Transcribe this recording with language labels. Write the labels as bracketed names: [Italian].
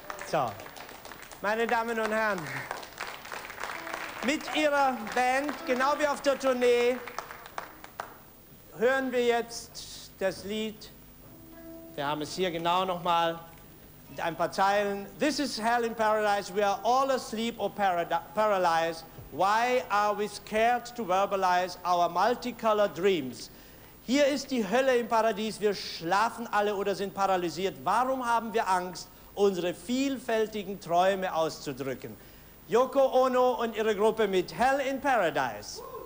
[German] So. Meine Damen und Herren. Mit Ihrer Band, genau wie auf der Tournee, hören wir jetzt das Lied. Wir haben es hier genau nochmal. Mit ein paar Zeilen. [English] This is hell in paradise. We are all asleep or paralyzed. Why are we scared to verbalize our multicolored dreams? [German] Hier ist die Hölle im Paradies. Wir schlafen alle oder sind paralysiert. Warum haben wir Angst, unsere vielfältigen Träume auszudrücken? Yoko Ono und ihre Gruppe mit Hell in Paradise.